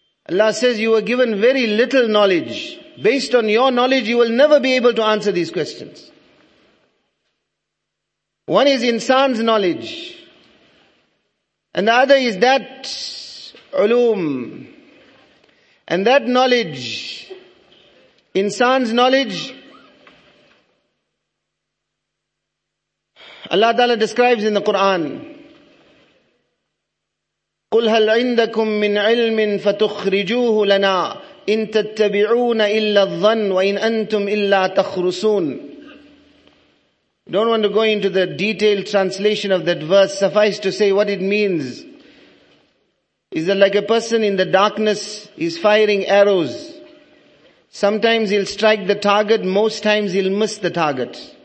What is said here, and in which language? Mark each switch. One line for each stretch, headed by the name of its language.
English: Allah says, you were given very little knowledge. Based on your knowledge, you will never be able to answer these questions. One is insan's knowledge. And the other is that uloom. And that knowledge, insan's knowledge, Allah Ta'ala describes in the Quran,
Arabic: قُلْ هَلْ عِنْدَكُمْ مِنْ عِلْمٍ فَتُخْرِجُوهُ لَنَا إِن تَتَّبِعُونَ إِلَّا الظَّنْ وَإِن أَنْتُمْ إِلَّا تَخْرُسُونَ.
English: Don't want to go into the detailed translation of that verse. Suffice to say what it means is that like a person in the darkness is firing arrows. Sometimes he'll strike the target, most times he'll miss the target.